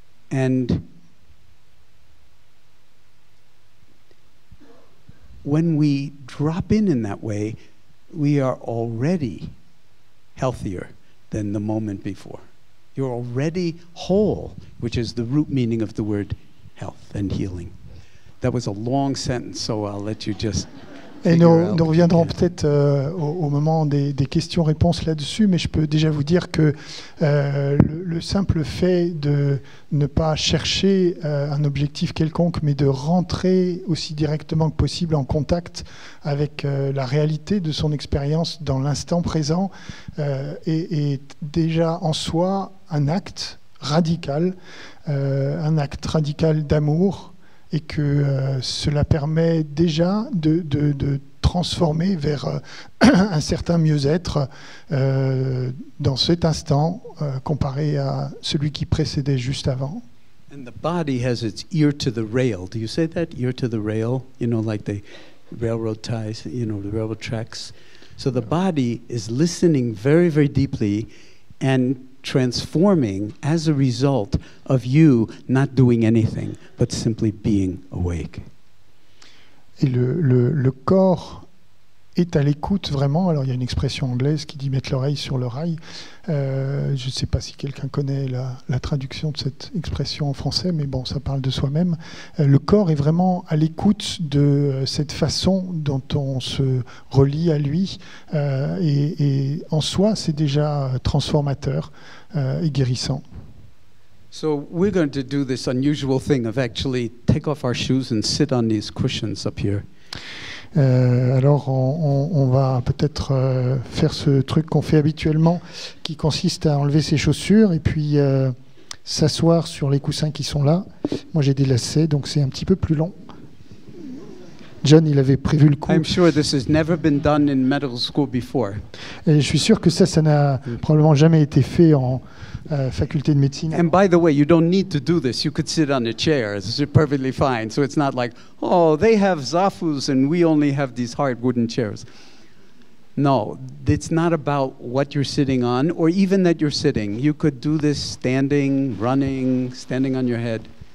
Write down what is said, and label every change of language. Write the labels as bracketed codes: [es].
[en] And when we drop in that way, we are already healthier than the moment before. You're already whole, which is the root meaning of the word health and healing. That was a long sentence, so I'll let you just... [fr] Et nous reviendrons peut-être au moment des questions-réponses là-dessus, mais je peux déjà vous dire que le simple fait de ne pas chercher un objectif quelconque, mais de rentrer aussi directement que possible en contact avec la réalité de son expérience dans l'instant présent est déjà en soi un acte radical, d'amour, et que cela permet déjà de transformer vers un certain mieux-être dans cet instant comparé à celui qui précédait juste avant. [en] And the body has its ear to the rail. Do you say that? Ear to the rail? You know, like the railroad ties, you know, the railroad tracks. So the body is listening very, very deeply and transforming as a result of you not doing anything but simply being awake. [fr] Et le corps est à l'écoute vraiment. Alors il y a une expression anglaise qui dit mettre l'oreille sur l'oreille. Je ne sais pas si quelqu'un connaît la traduction de cette expression en français, mais bon, ça parle de soi-même. Le corps est vraiment à l'écoute de cette façon dont on se relie à lui. Et en soi, c'est déjà transformateur et guérissant. [en] So we're going to do this unusual thing of actually take off our shoes and sit on these cushions up here. [fr] Alors on va peut-être faire ce truc qu'on fait habituellement, qui consiste à enlever ses chaussures et puis s'asseoir sur les coussins qui sont là. Moi j'ai des lacets, donc c'est un petit peu plus long. John, il avait prévu le coup. [en] I'm sure this has never been done in medical school before. [fr] Et je suis sûr que ça n'a probablement jamais été fait en faculté de médecine. [en] And by the way, you don't need to do this. You could sit on a chair. It's perfectly fine. So it's not like, oh, they have Zafus and we only have these hard wooden chairs. No, it's not about what you're sitting on or even that you're sitting. You could do this standing, running, standing on your head.